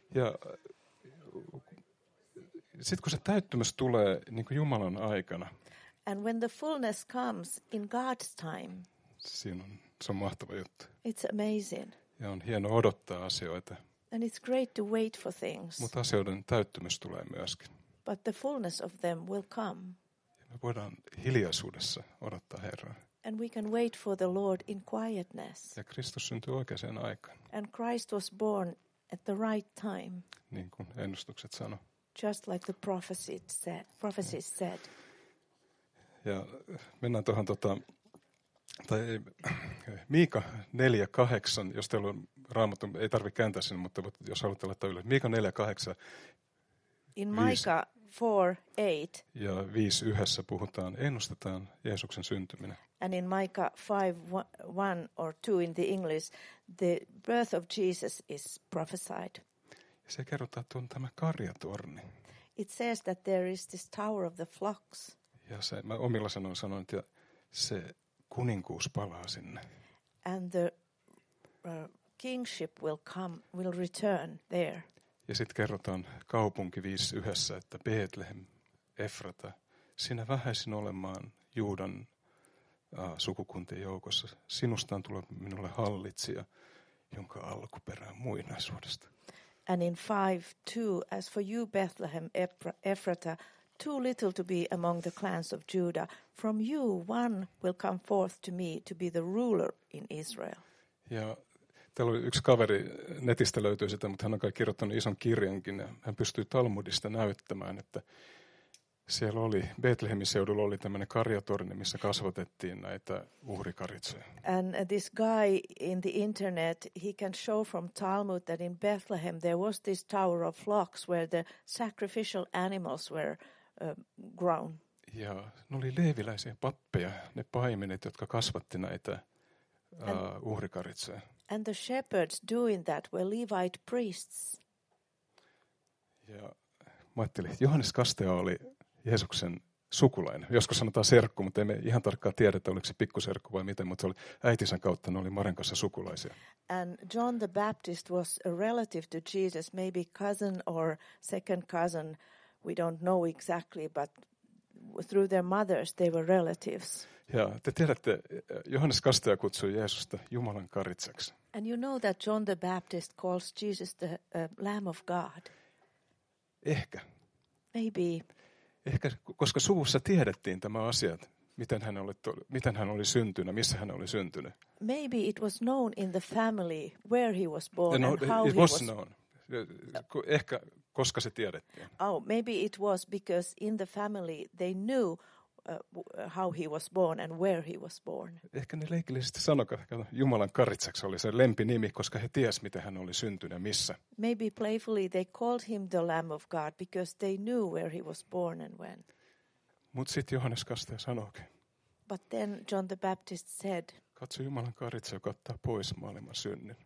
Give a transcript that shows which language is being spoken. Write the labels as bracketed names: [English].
[Finnish] Ja sitten kun se täyttymys tulee niin kuin Jumalan aikana. [English] And when the fullness comes in God's time. [Finnish] Siinä on, se on mahtava juttu. [English] It's amazing. [Finnish] Ja on hienoa odottaa asioita. [English] And it's great to wait for things. [Finnish] Mutta asioiden täyttymys tulee myöskin. [English] But the fullness of them will come. [Finnish] Me voidaan hiljaisuudessa odottaa Herraa. [English] And we can wait for the Lord in quietness. [Finnish] Ja Kristus syntyi oikeaan aikaan. [English] And Christ was born at the right time. [Finnish] Niin kuin ennustukset sanoi. [English] Just like the prophecies said. [Finnish] Ja mennään tuohon Miika 4:8, jos teillä on Raamattu, ei tarvitse kääntää sinne, mutta jos haluatte laittaa ylös. Miika 4:8. [English] In Micah 4:8 [Finnish] ja 5:1 puhutaan, ennustetaan Jeesuksen syntyminen. [English] And in Micah 5:1 or 2 in the English, the birth of Jesus is prophesied. [Finnish] Se kerrotaan, että on tämä karjatorni. [English] It says that there is this tower of the flocks. [Finnish] Ja se, mä omilla sanoin, että se kuninkuus palaa sinne. [English] And the kingship will return there. [Finnish] Ja sitten kerrotaan kaupunki 5:1, että Betlehem, Efrata, sinä vähäisin olemaan Juudan sukukuntien joukossa. Sinusta on tullut minulle hallitsija, jonka alkuperä on muinaisuudesta. [English] And in 5:2, as for you, Bethlehem, Ephrata, too little to be among the clans of Judah, from you one will come forth to me to be the ruler in Israel. [Finnish] Ja täällä oli yksi kaveri, netistä löytyy sitä, mutta hän on kai kirjoittanut ison kirjankin. Ja hän pystyi Talmudista näyttämään, että siellä oli, Bethlehemin seudulla oli tämmöinen karjatorni, missä kasvatettiin näitä uhrikaritsoja. [English] And this guy in the internet, he can show from Talmud that in Bethlehem there was this tower of flocks where the sacrificial animals were grown. [Finnish] Ja ne oli leeviläisiä pappeja, ne paimenet, jotka kasvatti näitä uhrikaritsoja. [English] And the shepherds doing that were Levite priests. [Finnish] Ja mä ajattelin, Johannes Kastaja oli Jeesuksen sukulainen. Joskus sanotaan serkku, mutta emme ihan tarkkaan tiedä, että oliko se pikkuserkku vai miten, mutta se oli äitinsä kautta, ne oli Marjan kanssa sukulaisia. [English] And John the Baptist was a relative to Jesus, maybe cousin or second cousin, we don't know exactly, but through their mothers they were relatives. [Finnish] Ja te tiedätte, Johannes Kastaja kutsui Jeesusta Jumalan karitsaksi. [English] And you know that John the Baptist calls Jesus the Lamb of God. [Finnish] Ehkä. [English] Maybe. [Finnish] Ehkä, koska suvussa tiedettiin tämä asia, miten hän oli syntynyt, missä hän oli syntynyt. [English] Maybe it was known in the family where he was born and how he was. It was known. [Finnish] Ehkä, koska se tiedettiin. [English] Oh, maybe it was because in the family they knew how he was born and where he was born. [Finnish] Ehkä ne leikillisesti sanoivat, Jumalan karitsaksi oli se lempinimi, koska he tiesivät, miten hän oli syntynyt ja missä. [English] Maybe playfully they called him the Lamb of God because they knew where he was born and when. [Finnish] Mutta sitten Johannes Kastaja sanoikin. [English] But then John the Baptist said, [Finnish] Katso Jumalan karitsa, joka ottaa pois maailman synnin.